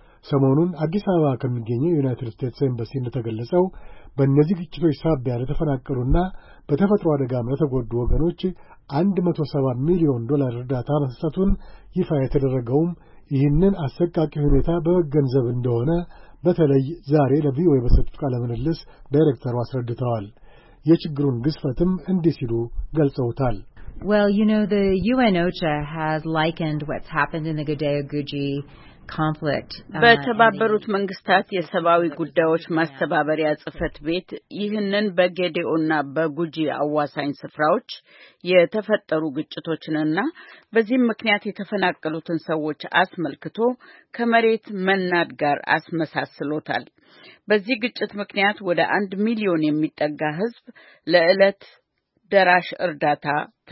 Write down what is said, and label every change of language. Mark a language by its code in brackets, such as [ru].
[am] ሰሞኑን አዲስ አበባ ከሚገኘው ዩናይትድ ስቴትስ ኤምባሲ እንደተገለጸው በእነዚህ ግጭቶች ሳቢያ ለተፈናቀሉና በተፈጥሮ አደጋም ለተጎዱ ወገኖች 170 ሚሊዮን ዶላር እርዳታ መስጠቱን ይፋ የተደረገውም ይህንን አስቸጋሪ ሁኔታ በመገንዘብ እንደሆነ በተለይ ዛሬ ለቪኦኤ በሰጡት ቃለ ምልልስ ዳይሬክተሩ አስረድተዋል። የችግሩን ግዝፈትም እንዲህ ሲሉ ገልጸውታል። [en] Well, you know, the UN OCHA has likened what's happened in the Gadeo-Guji conflict. [am] በተባበሩት መንግስታት የሰብአዊ ጉዳዮች ማስተባበሪያ ጽፈት ቤት ይህንን በጌዴኦና በጉጂ አዋሳኝ ስፍራዎች የተፈጠሩ ግጭቶችንና በዚህም ምክንያት የተፈናቀሉትን ሰዎች አስመልክቶ ከመሬት መናድ ጋር አስመሳስሎታል። በዚህ ግጭት ምክንያት ወደ 1 ሚሊዮን የሚጠጋ ህዝብ ለዕለት ደራሽ እርዳታ